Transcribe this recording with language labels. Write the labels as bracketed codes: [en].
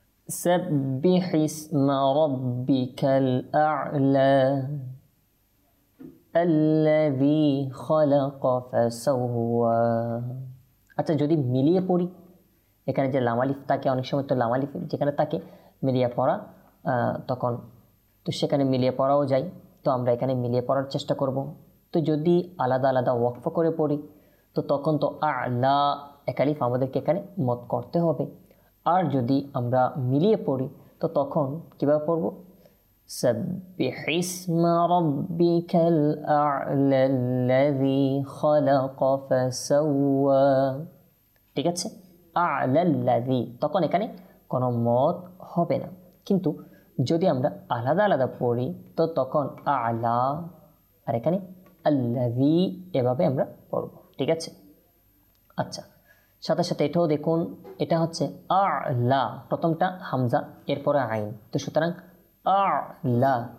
[ar] سبح اسم ربك الأعلى الذي خلق فسوى. [bn] আচ্ছা, যদি মিলিয়ে পড়ি, এখানে যে লামালিফ থাকে, অনেক সময় তো লামালিফ যেখানে থাকে মিলিয়ে পড়া, তখন তো সেখানে মিলিয়ে পড়াও যায়, তো আমরা এখানে মিলিয়ে পড়ার চেষ্টা করব। তো যদি আলাদা আলাদা ওয়াকফ করে পড়ি, তো তখন তো আলা একালিফ আমাদেরকে এখানে মত করতে হবে, আর যদি আমরা মিলিয়ে পড়ি তো তখন কীভাবে পড়ব? [ar] سبح اسم ربك الأعلى الذي خلق فسوى. [bn] ঠিক আছে, [ar] أعلى الذي, [bn] তখন এখানে কোনো মত হবে না, কিন্তু যদি আমরা আলাদা আলাদা পড়ি তো তখন أعلى, আর এখানে الذي এভাবে আমরা পড়ব। ঠিক আছে, আচ্ছা, সাথে সাথে এটাও দেখুন, এটা হচ্ছে أعلى, প্রথমটা হামজা এরপরে আইন, তো সুতরাং আ লা।